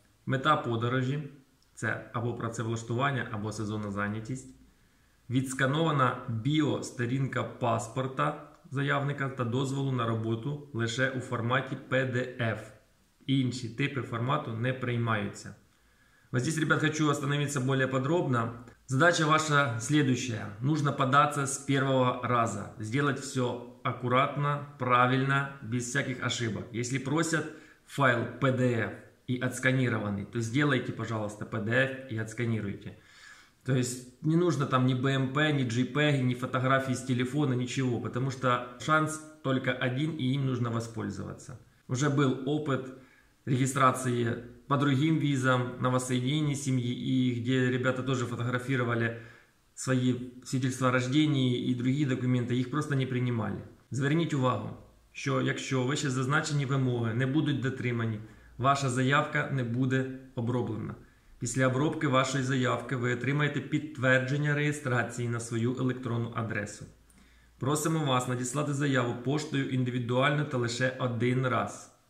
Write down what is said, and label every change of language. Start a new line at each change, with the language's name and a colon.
Ukrainian: Мета подорожі, це або працевлаштування, або сезонна зайнятість. Відсканована біо-сторінка паспорта заявника та дозволу на роботу лише у форматі PDF. Інші типи формату не приймаються. Ось тут,
Russian: ребят, хочу остановитися більш подробно. Задача ваша следующая. Нужно податься с первого раза. Сделать все аккуратно, правильно, без всяких ошибок. Если просят файл PDF и отсканированный, то сделайте, пожалуйста, PDF и отсканируйте. То есть не нужно там ни BMP, ни JPEG, ни фотографии с телефона, ничего. Потому что шанс только один, и им нужно воспользоваться. Уже был опыт регистрации по другим визам, на воссоединение семьи, и где ребята тоже фотографировали свои свидетельства о рождении и другие документы, их просто не принимали.
Ukrainian: Зверніть увагу, що якщо вище зазначені вимоги не будуть дотримані, ваша заявка не буде оброблена. Після обробки вашої заявки ви отримаєте підтвердження реєстрації на свою електронну адресу. Просимо вас надіслати заяву поштою індивідуально та лише один раз.